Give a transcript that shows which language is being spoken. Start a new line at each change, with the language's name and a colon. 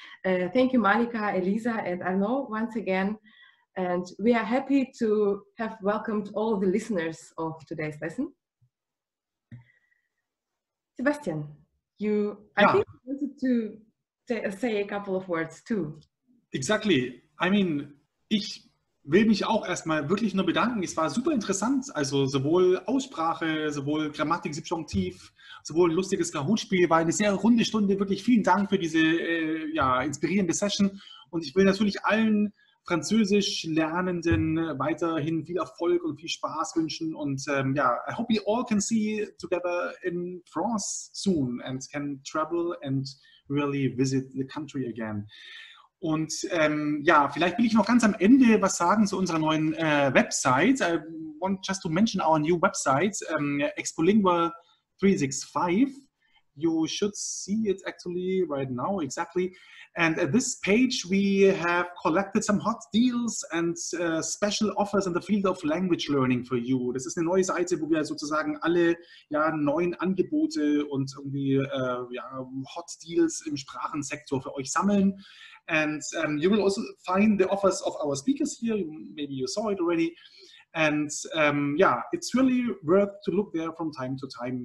English: Thank you, Malika, Elisa, and Arnaud once again. And we are happy to have welcomed all the listeners of today's lesson. Sebastian, I think you wanted to say a couple of words too. Exactly. I mean,
German: ich will mich auch erstmal wirklich nur bedanken. Es war super interessant, also sowohl Aussprache, sowohl Grammatik, Subjunktiv, sowohl ein lustiges Kahoot-Spiel, war eine sehr runde Stunde. Wirklich vielen Dank für diese inspirierende Session. Und ich will natürlich allen Französisch Lernenden weiterhin viel Erfolg und viel Spaß wünschen. Und
English: I hope we all can see together in France soon and can travel and really visit the country again.
German: Und vielleicht will ich noch ganz am Ende was sagen zu unserer neuen Website.
English: I want just to mention our new website, Expolingua 365. You should see it actually right now, exactly. And at this page, we have collected some hot deals and special offers in the field of language learning for you.
German: Das ist eine neue Seite, wo wir sozusagen alle neuen Angebote und irgendwie hot deals im Sprachensektor für euch sammeln.
English: And you will also find the offers of our speakers here. Maybe you saw it already. And it's really worth to look there from time to time.